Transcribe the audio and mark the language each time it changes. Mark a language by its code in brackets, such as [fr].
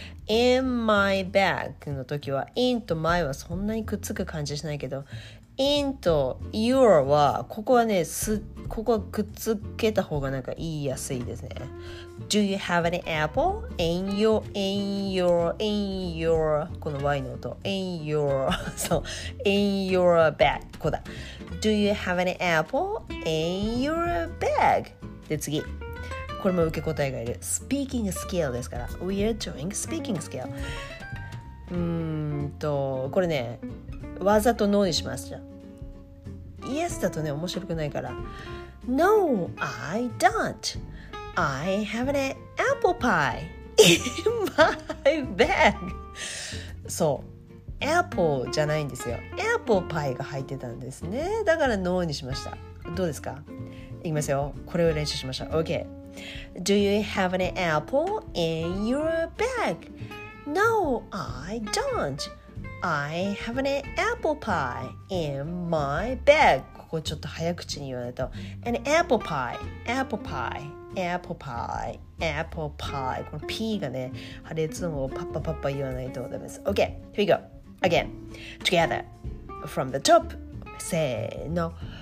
[en] In my bag [ja] の時は in と my はそんなにくっつく感じしないけど、 in と your はここはね、ここくっつけた方がなんか言いやすいですね。 [en] Do you have an apple in your [ja] この Y の音 in your そう [en] in your bag [ja] こうだ。 [en] Do you have an apple in your bag? [ja] で次これも受け答えがいる。 [en] Speaking skill [ja] ですから [en] We are doing speaking skill。 [ja] これねわざとノーにしますじゃん。 Yes だとね面白くないから。 [en] No, I don't. I have an apple pie in my bag. [ja] そう、apple じゃないんですよ。apple pie が入ってたんですね。だから no にしました。どうですか?いきますよ。これを練習しましょう。 [en] Okay. Do you have an apple in your bag? No, I don't. I have an apple pie in my bag. [ja] こうちょっと早口に言わないと An apple pie Apple pie Apple pie Apple pie この P がね破裂音をパッパパッパ言わないとダメです。 [en] OK Here we go Again Together From the top [ja] せーの